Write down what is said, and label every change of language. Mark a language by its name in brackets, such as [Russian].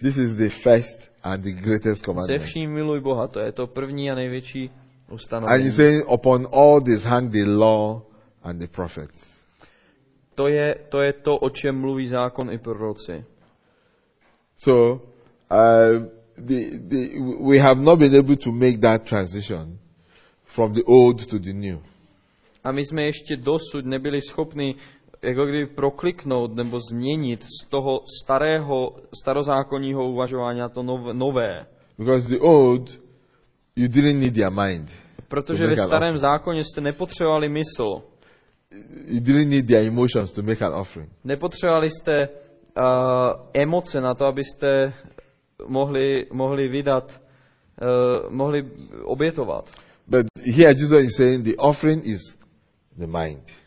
[English] This is the first and the greatest commandment. [Czech] Se vším miluj Boha, to je to první a největší ustanovení. [English] And he said, upon all this hang the law and the prophets. [Czech] To je to, o čem mluví zákon i proroci. [English] So the we have not been able to make that transition from the old to the new. [Czech] A my jsme ještě dosud nebyli schopni jako kdyby prokliknout nebo změnit z toho starého starozákonního uvažování na to nové. [English] Because the old, you didn't need your mind. [Czech] Protože ve starém zákoně jste nepotřebovali mysl. [English] You didn't need your emotions to make an offering. [Czech] Nepotřebovali jste emoce na to, abyste mohli vydat, mohli obětovat. [English] But here Jesus is saying the offering is the mind.